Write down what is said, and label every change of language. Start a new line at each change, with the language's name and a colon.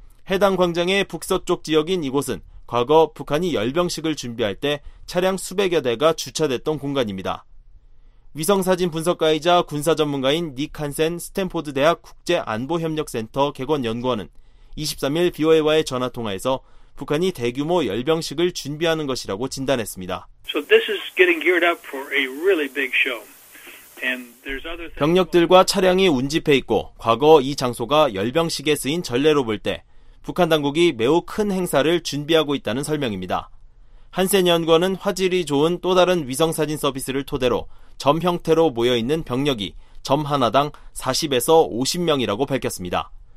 Korean: 해당 광장의 북서쪽 지역인 이곳은 과거 북한이 열병식을 준비할 때 차량 수백여 대가 주차됐던 공간입니다. 위성사진 분석가이자 군사 전문가인 닉 한센 스탠포드 대학 국제안보협력센터 객원연구원은 23일 BOA와의 전화통화에서 북한이 대규모 열병식을 준비하는 것이라고 진단했습니다.
English: So this is getting geared up for a really big show.
Korean: 병력들과 차량이 운집해 있고 과거 이 장소가 열병식에 쓰인 전례로 볼 때 북한 당국이 매우 큰 행사를 준비하고 있다는 설명입니다. 한센 연구원은 화질이 좋은 또 다른 위성사진 서비스를 토대로 점 형태로 모여있는 병력이 점 하나당 40에서 50명이라고 밝혔습니다.